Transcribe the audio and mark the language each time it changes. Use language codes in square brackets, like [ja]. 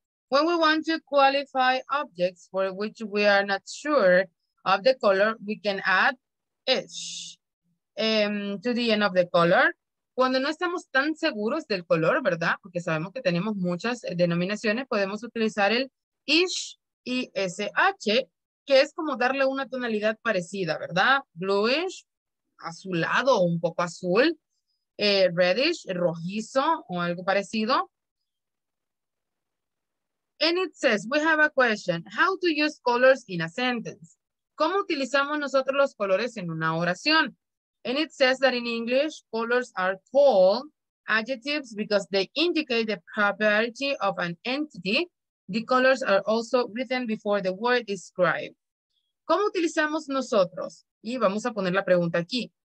[en] When we want to qualify objects for which we are not sure of the color, we can add ish to the end of the color. [es] Cuando no estamos tan seguros del color, ¿verdad? Porque sabemos que tenemos muchas denominaciones, podemos utilizar el ish, I-S-H, que es como darle una tonalidad parecida, ¿verdad? Bluish, azulado, un poco azul. Reddish, rojizo, o algo parecido. [en] And it says, we have a question. How to use colors in a sentence? [es] ¿Cómo utilizamos nosotros los colores en una oración? [en] And it says that in English, colors are called adjectives because they indicate the property of an entity. The colors are also written before the word described. [es] ¿Cómo utilizamos nosotros? Y vamos a poner la pregunta aquí.